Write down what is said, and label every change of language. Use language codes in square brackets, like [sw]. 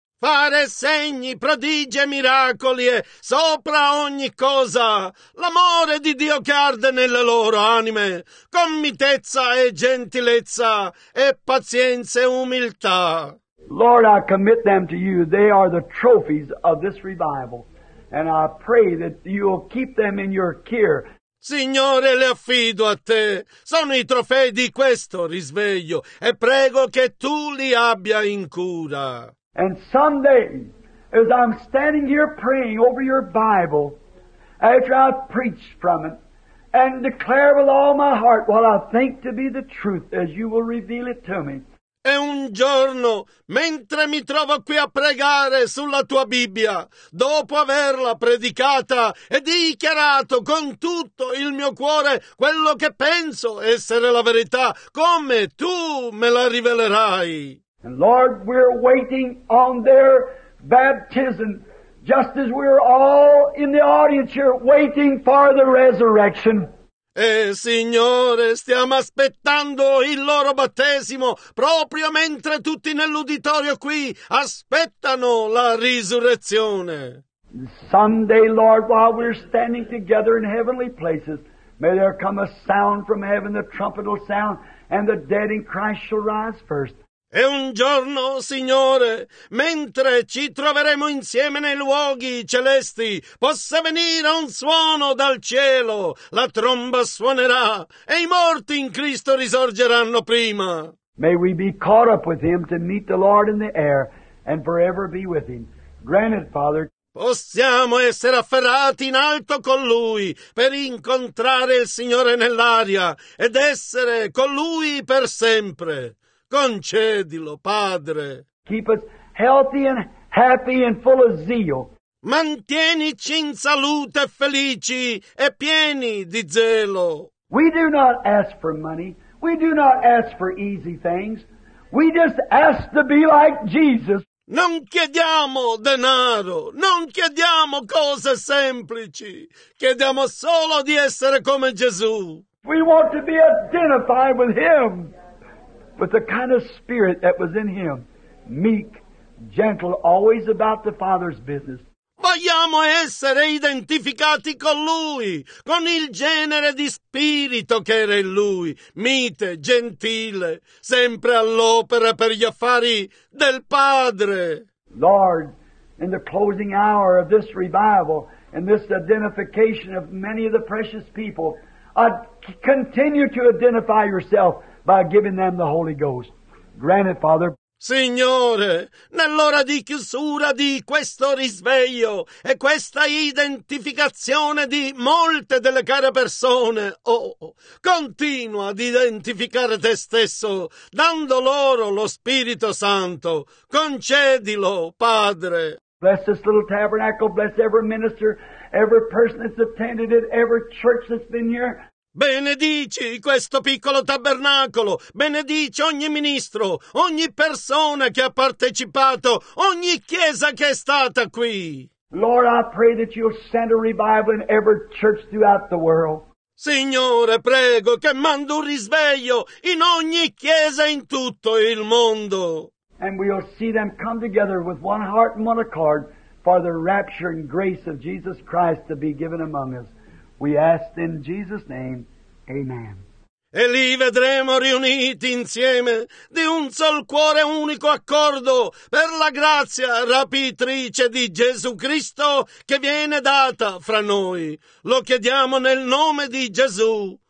[it] Fare segni, prodigi e miracoli e sopra ogni cosa l'amore di Dio che arde nelle loro anime con mitezza e gentilezza e pazienza e umiltà. [en] Lord, I commit them to You. They are the trophies of this revival and I pray that You will keep them in Your care. [it] Signore, le affido a Te. Sono i trofei di questo risveglio e prego che Tu li abbia in cura. [en] And someday, as I'm standing here praying over your Bible, after I've preached from it, and declare with all my heart what I think to be the truth as You will reveal it to me. [it] E un giorno, mentre mi trovo qui a pregare sulla tua Bibbia, dopo averla predicata e dichiarato con tutto il mio cuore quello che penso essere la verità, come Tu me la rivelerai. [en] And Lord, we're waiting on their baptism, just as we're all in the audience here waiting for the resurrection. [it] E Signore, stiamo aspettando il loro battesimo, proprio mentre tutti nell'uditorio qui aspettano la risurrezione. [en] Someday, Lord, while we're standing together in heavenly places, may there come a sound from heaven, the trumpet will sound, and the dead in Christ shall rise first. [it] E un giorno, Signore, mentre ci troveremo insieme nei luoghi celesti, possa venire un suono dal cielo, la tromba suonerà, e i morti in Cristo risorgeranno prima. [en] May we be caught up with Him to meet the Lord in the air and forever be with Him. Grant it, Father. [it] Possiamo essere afferrati in alto con Lui per incontrare il Signore nell'aria ed essere con Lui per sempre. Concedilo, Padre. [en] Keep us healthy and happy and full of zeal. [it] Mantienici in salute, felici e pieni di zelo. [en] We do not ask for money. We do not ask for easy things. We just ask to be like Jesus. [it] Non chiediamo denaro. Non chiediamo cose semplici. Chiediamo solo di essere come Gesù. [en] We want to be identified with Him. But the kind of spirit that was in Him, meek, gentle, always about the Father's business. But [it] vogliamo essere identificati con Lui, con il genere di spirito che era in Lui, mite, gentile, sempre all'opera per gli affari del Padre. [en] Lord, in the closing hour of this revival and this identification of many of the precious people, continue to identify yourself by giving them the Holy Ghost. Grant it, Father. [it] Signore, nell'ora di chiusura di questo risveglio e questa identificazione di molte delle care persone, continua ad identificare te stesso, dando loro lo Spirito Santo. Concedilo, Padre. [en] Bless this little tabernacle, bless every minister, every person that's attended it, every church that's been here. [it] Benedici questo piccolo tabernacolo, benedici ogni ministro, ogni persona che ha partecipato, ogni chiesa che è stata qui. [en] Lord, I pray that you'll send a revival in every church throughout the world. [it] Signore, prego che mando un risveglio in ogni chiesa in tutto il mondo. [en] And we'll see them come together with one heart and one accord for the rapture and grace of Jesus Christ to be given among us. We ask in Jesus' name, Amen. [it] E li vedremo riuniti insieme di un sol cuore unico accordo per la grazia rapitrice di Gesù Cristo che viene data fra noi. Lo chiediamo nel nome di Gesù.